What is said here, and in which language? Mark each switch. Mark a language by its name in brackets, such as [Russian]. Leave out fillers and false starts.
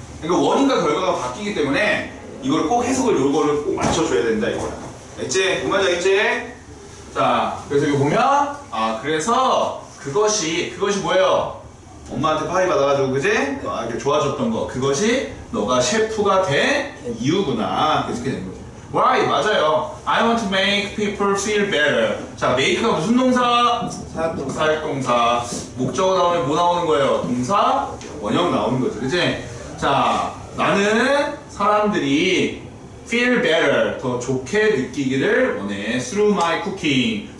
[Korean] 그러니까 원인과 결과가 바뀌기 때문에 이걸 꼭 해석을, 요거를 꼭 맞춰줘야 된다, 이거야. 알지? 그만자, 알지? 자, 그래서 이거 보면, 아, 그래서 그것이 뭐예요? 엄마한테 파이 받아가지고, 그지? 네. 아, 이렇게 좋아졌던 거. 그것이 너가 셰프가 된 이유구나. 그렇게 된 거지. Why? 맞아요. [English] I want to make people feel better. [Korean] 자, make가 무슨 동사? 사역동사. 목적어 나오면 뭐 나오는 거예요? 동사? 원형 나오는 거죠. 그지? 자, 나는 사람들이 [English] feel better. [Korean] 더 좋게 느끼기를 원해. [English] Through my cooking.